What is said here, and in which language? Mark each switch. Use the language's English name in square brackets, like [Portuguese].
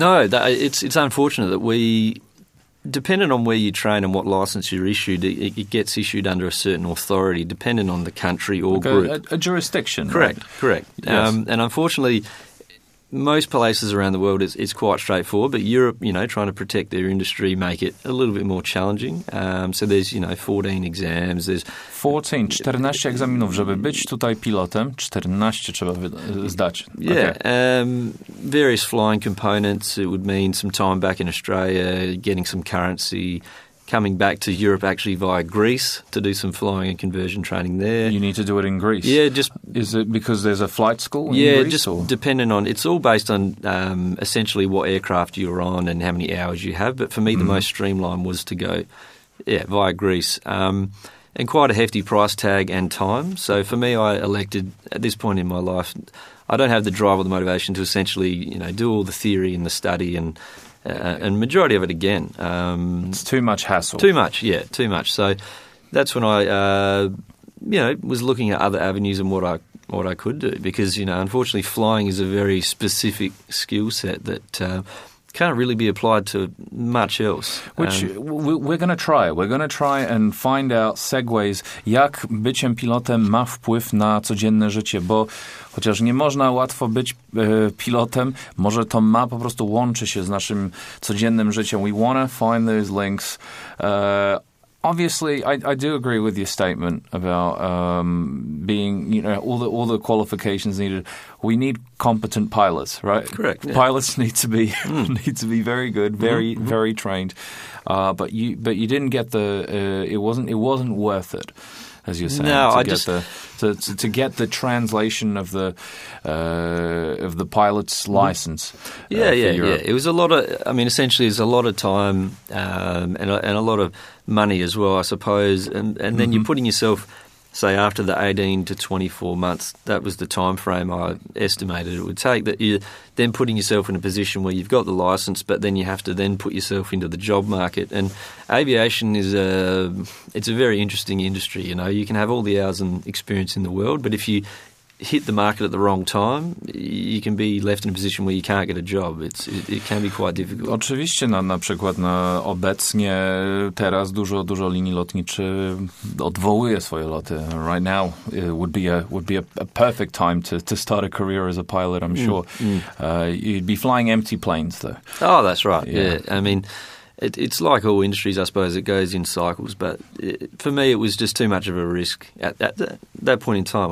[English] No, it's unfortunate that depending on where you train and what license you're issued, it gets issued under a certain authority, depending on the country or group. A jurisdiction. Correct, right? Correct. Yes. And unfortunately, most places around the world, it's quite straightforward. But Europe, you know, trying to protect their industry, make it a little bit more challenging. So there's, you know, 14 exams. There's [Polish] 14, 14 egzaminów, żeby być tutaj pilotem, 14 trzeba zdać. [English] Yeah, okay. Various flying components. It would mean some time back in Australia, getting some currency, coming back to Europe actually via Greece to do some flying and conversion training there. You need to do it in Greece? Yeah, just... Is it because there's a flight school in Greece? Yeah, just or? Depending on... It's all based on essentially what aircraft you're on and how many hours you have. But for me, the most streamlined was to go, yeah, via Greece. And quite a hefty price tag and time. So for me, I elected at this point in my life, I don't have the drive or the motivation to essentially, you know, do all the theory and the study and... And majority of it again. It's too much hassle. Too much, yeah, too much. So that's when I, you know, was looking at other avenues and what I could do because, you know, unfortunately flying is a very specific skill set that can't really be applied to much else. Which we're going to try. We're going to try and find out segues, [Polish] jak byciem pilotem ma wpływ na codzienne życie, bo chociaż nie można łatwo być pilotem, może to ma po prostu łączy się z naszym codziennym życiem. [English] We want to find those links. Obviously, I do agree with your statement about being, you know, all the qualifications needed. We need competent pilots, right? Correct. Yeah. Pilots need to be need to be very good, very very trained. But you didn't get the. It wasn't worth it, as you're saying. No, to get the translation of the pilot's license. Yeah, for yeah, Europe. Yeah. It was a lot of. I mean, essentially, it's a lot of time and a lot of money as well, I suppose. And then you're putting yourself, say, after the 18 to 24 months, that was the time frame I estimated it would take, that you're then putting yourself in a position where you've got the license, but then you have to then put yourself into the job market. And aviation is it's a very interesting industry. You know, you can have all the hours and experience in the world, but if you hit the market at the wrong time, you can be left in a position where you can't get a job. It can be quite difficult. [Polish] Oczywiście, na przykład na obecnie, teraz dużo linii lotniczych odwołuje swoje loty. [English] Right now would be a perfect time to start a career as a pilot, I'm sure. You'd be flying empty planes, though. Oh, that's right. Yeah. I mean, it's like all industries, I suppose. It goes in cycles. But for me, it was just too much of a risk at that point in time.